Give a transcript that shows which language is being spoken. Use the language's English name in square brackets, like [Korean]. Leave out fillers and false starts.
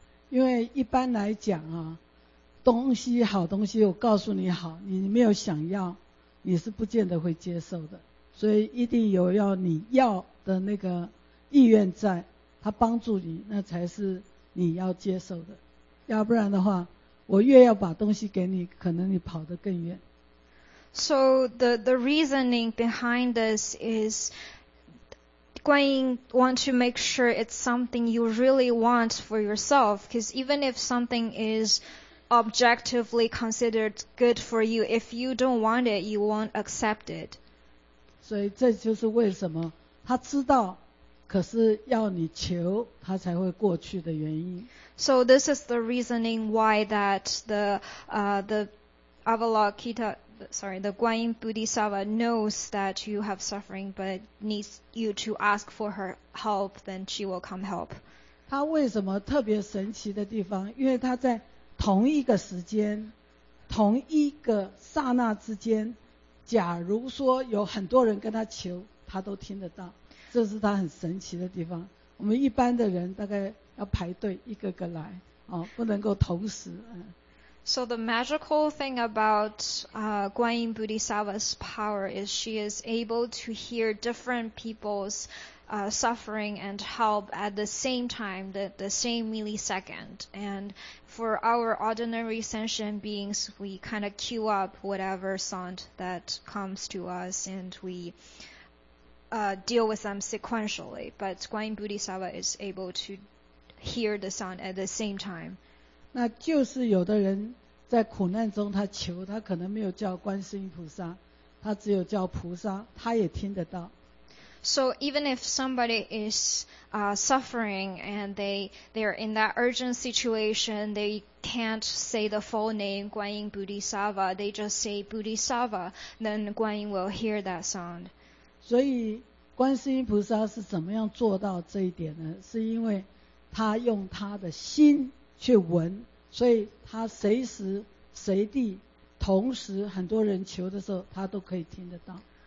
[Chinese] 因为一般来讲啊，东西好东西我告诉你好，你没有想要，你是不见得会接受的，所以一定有要你要的那个意愿在，他帮助你，那才是你要接受的，要不然的话，我越要把东西给你，可能你跑得更远。 [English] So the reasoning behind this is. Guanyin want to make sure it's something you really want for yourself, because even if something is objectively considered good for you, if you don't want it, you won't accept it. [Chinese] 所以这就是为什么他知道，可是要你求，他才会过去的原因。 [English] So this is the reasoning why that the Avalokita. Sorry, the Guanyin Bodhisattva knows that you have suffering but needs you to ask for her help, then she will come help. [Chinese] 他为什么特别神奇的地方？因为他在同一个时间，同一个刹那之间，假如说有很多人跟他求，他都听得到，这是他很神奇的地方。我们一般的人大概要排队一个个来，哦，不能够同时。 [English] So the magical thing about Guanyin Bodhisattva's power is she is able to hear different people'suffering and help at the same time, the same millisecond. And for our ordinary sentient beings, we kind of queue up whatever sound that comes to us and we deal with them sequentially. But Guanyin Bodhisattva is able to hear the sound at the same time. [Chinese] 那就是有的人在苦难中他求，他可能没有叫观世音菩萨，他只有叫菩萨，他也听得到。 [English] So even if somebody is suffering and they are in that urgent situation, they can't say the full name Guanyin Bodhisattva, they just say Bodhisattva, then Guanyin will hear that sound. [Chinese] 所以观世音菩萨是怎么样做到这一点呢？是因为他用他的心去闻，所以他随时随地同时很多人求的时候他都可以听得到。